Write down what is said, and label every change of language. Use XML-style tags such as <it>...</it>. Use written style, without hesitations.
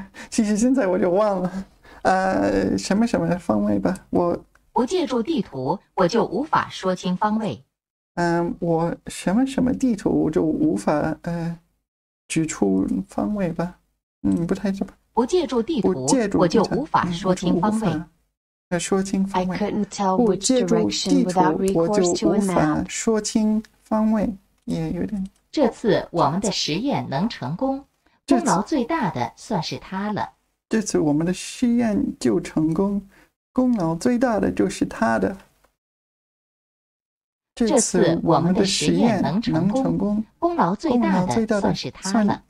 <zh>其实现在我就忘了。什么什么方位吧？我不借助地图，我就无法说清方位。我什么什么地图，我就无法指出方位吧？不太是吧？不借助地图，我就无法说清方位。说清方位。</zh> <en>I couldn't tell which direction without recourse to a map.</en> <zh>说清方位也有点。这次我们的实验能成功，功劳最大的算是他了。这次我们的实验就成功，功劳最大的就是他的。这次我们的实验能成功，功劳最大的算是他了。</zh>